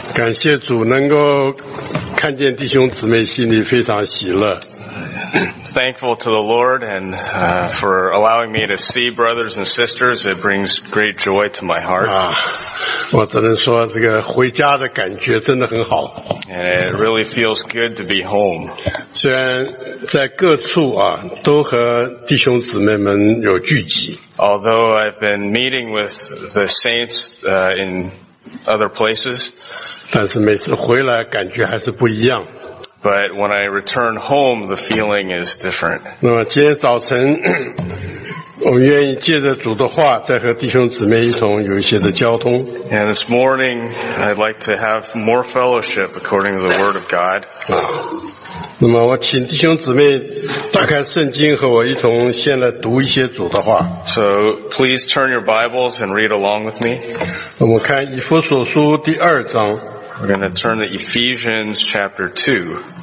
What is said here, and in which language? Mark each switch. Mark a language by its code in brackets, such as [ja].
[zh] 感谢主能够看见弟兄姊妹，心里非常喜乐。 [en] Thankful to the Lord and for allowing me to see brothers and sisters, it brings great joy to my heart. [zh] 啊，我只能说这个回家的感觉真的很好。 [en] And it really feels good to be home. [zh] 虽然在各处啊，都和弟兄姊妹们有聚集。 [en] Although I've been meeting with the saints in other places. [zh] 但是每次回来感觉还是不一样。 [en] But when I return home, the feeling is different. [zh] 那么今天早晨，我们愿意借着主的话，再和弟兄姊妹一同有一些的交通。 [en] And this morning, I'd like to have more fellowship according to the Word of God. [zh] 啊，那么我请弟兄姊妹打开圣经，和我一同先来读一些主的话。 [en] So please turn your Bibles and read along with me. [zh] 我们看以弗所书第二章。 [en] We're going to turn to Ephesians chapter 2.